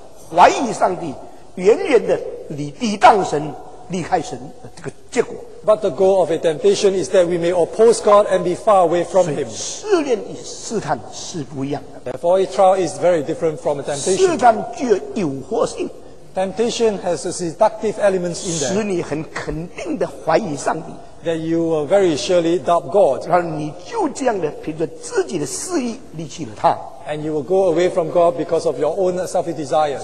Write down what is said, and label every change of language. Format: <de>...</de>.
<zh>试探的结果是使人离开上帝怀疑上帝 远远的离抵挡神离开神的这个结果。</zh> <en>But the goal of a temptation is that we may oppose God and be far away from Him.</en> <zh>试炼与试探是不一样的。</zh> <en>Therefore a trial is very different from a temptation.</en> <zh>试探具有诱惑性。</zh> <en>Temptation has a seductive elements in there.</en> <zh>使你很肯定的怀疑上帝。</zh> <en>That you will very surely doubt God.</en> <zh>然后你就这样的凭着自己的私意离弃了他。</zh> <en>And you will go away from God because of your own selfish desires.</en>